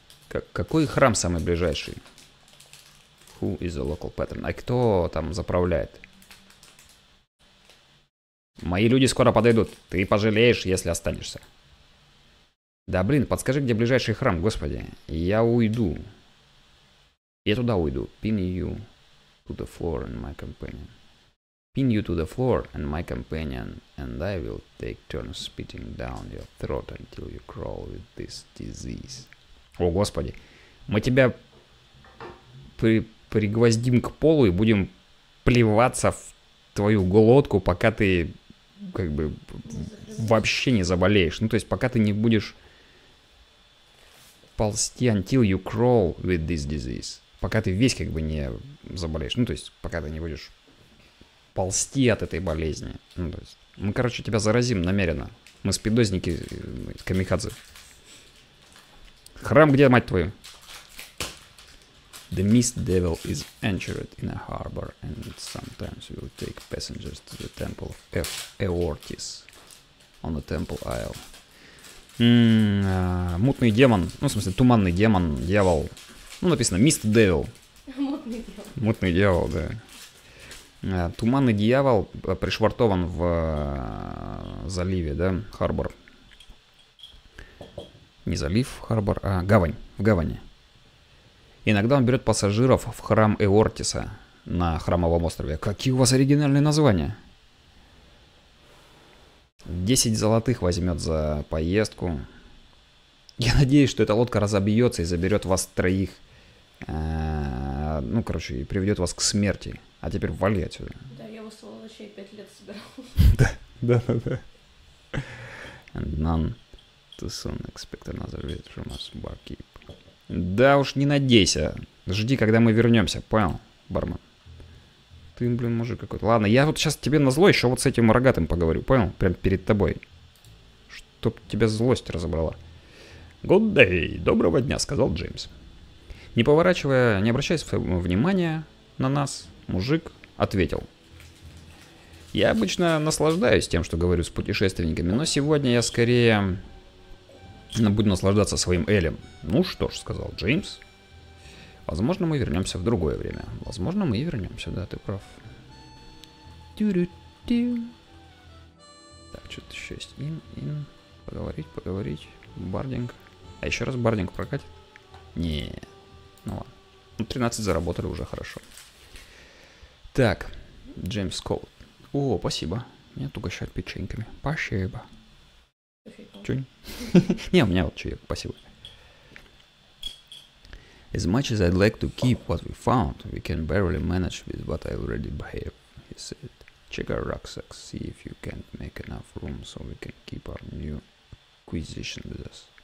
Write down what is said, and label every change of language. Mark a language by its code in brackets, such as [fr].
[ru] Какой храм самый ближайший? [en] Who is the local patron? [ru] А кто там заправляет? Мои люди скоро подойдут. Ты пожалеешь, если останешься. Да блин, подскажи, где ближайший храм, господи. Я уйду. Я туда уйду. [en] Pin you to the floor and my companion. Pin you to the floor and my companion, and I will take turns spitting down your throat until you crawl with this disease. [ru] О, господи. Мы тебя пригвоздим к полу и будем плеваться в твою глотку, пока ты как бы вообще не заболеешь. Ну, то есть, пока ты не будешь ползти [en] until you crawl with this disease. [ru] Пока ты весь как бы не заболеешь. Ну, то есть, пока ты не будешь ползти от этой болезни. Ну, то есть, мы, короче, тебя заразим намеренно. Мы спидозники, мы камикадзе. Храм где, мать твою? [en] The mist devil is anchored in a harbor and sometimes will take passengers to the temple of Eortis on the temple isle. [ru] Мутный демон, ну, в смысле, туманный демон, дьявол. Ну, написано mist devil. Мутный дьявол. Мутный дьявол, да. Туманный дьявол пришвартован в заливе, да, харбор. Не залив, харбор, а гавань, в гавани. Иногда он берет пассажиров в храм Эортиса на храмовом острове. Какие у вас оригинальные названия? 10 золотых возьмет за поездку. Я надеюсь, что эта лодка разобьется и заберет вас троих. Ну, короче, и приведет вас к смерти. А теперь вали отсюда. Да, я его сволочей 5 лет собирал. Да, да, да. [en] And none too soon expect another visit from us, barkeep. [ru] Да уж, не надейся. Жди, когда мы вернемся, понял, бармен? Ты, блин, мужик какой-то. Ладно, я вот сейчас тебе назло еще вот с этим рогатым поговорю, понял? Прям перед тобой. Чтоб тебя злость разобрала. [en] Good day, [ru] доброго дня, сказал Джеймс. Не поворачивая, не обращаясь внимания на нас, мужик ответил. Я обычно наслаждаюсь тем, что говорю с путешественниками, но сегодня я скорее буду наслаждаться своим элем. Ну что ж, сказал Джеймс. Возможно, мы вернемся в другое время. Возможно, мы и вернемся, да, ты прав. Тю-рю-тю. Так, что-то еще есть. Ин. Поговорить, поговорить. Бардинг. А еще раз бардинг прокатит? Не. Ну ладно. 13 заработали, уже хорошо. Так, Джеймс Коут. О, спасибо. Меня только щать печеньками. Спасибо. Чунь. Не, у меня вот чаек, спасибо. [en] As much as I'd like to keep what we found, we can barely manage with what I already have, he said. Check our rucksacks, see if you can't make enough room so we can keep our new acquisition with us.